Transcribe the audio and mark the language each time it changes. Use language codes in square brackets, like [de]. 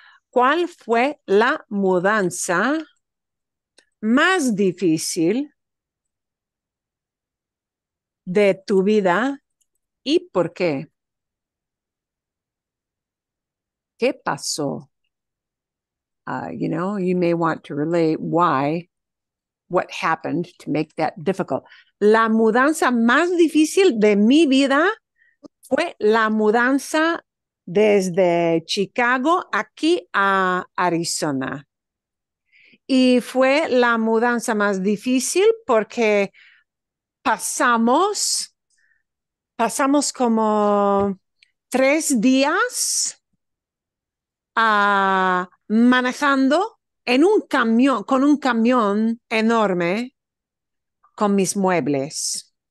[es] ¿Cuál fue la mudanza más difícil de tu vida y por qué? ¿Qué pasó? [en] You know, you may want to relate why, what happened to make that difficult. [es] La mudanza más difícil de mi vida fue la mudanza desde Chicago aquí a Arizona. Y fue la mudanza más difícil porque pasamos como 3 días manejando en un camión, con un camión enorme con mis muebles.